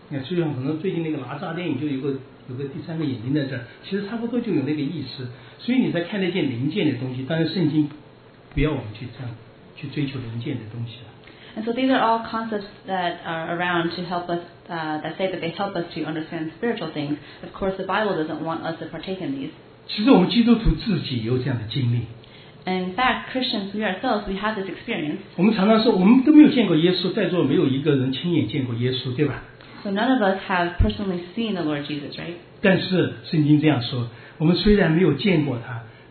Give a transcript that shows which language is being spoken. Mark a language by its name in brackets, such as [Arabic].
[Chinese] Yeah, 就像可能最近那个拿炸电影就有个第三个眼睛在这儿，其实差不多就有那个意思。所以你在看得见灵界的东西，当然圣经不要我们去这样去追求灵界的东西了。 [English] And so these are all concepts that are around to help us, that say that they help us to understand spiritual things. Of course, the Bible doesn't want us to partake in these. [Chinese] 其实我们基督徒自己有这样的经历。 [English] In fact, Christians, we ourselves, we have this experience. [Chinese] 我们常常说，我们都没有见过耶稣，在座没有一个人亲眼见过耶稣，对吧？ [English] So none of us have personally seen the Lord Jesus, right? [Chinese] 但是圣经这样说，我们虽然没有见过他。